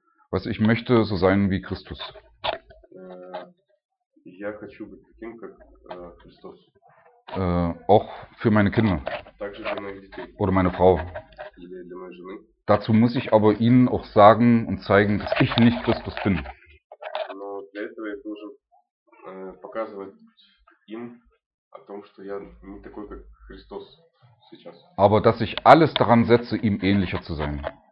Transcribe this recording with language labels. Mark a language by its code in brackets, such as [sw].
[de] Was ich möchte, so sein wie Christus. [ru] Я хочу быть таким, как Христос. [de] Auch für meine Kinder. [ru] Также для моих детей. [de] Oder meine Frau. [ru] Или для моей жены. [de] Dazu muss ich aber ihnen auch sagen und zeigen, dass ich nicht Christus bin. [ru] Но для этого я должен показывать им о том, что я не такой, как Христос сейчас. [de] Aber dass ich alles daran setze, ihm ähnlicher zu sein.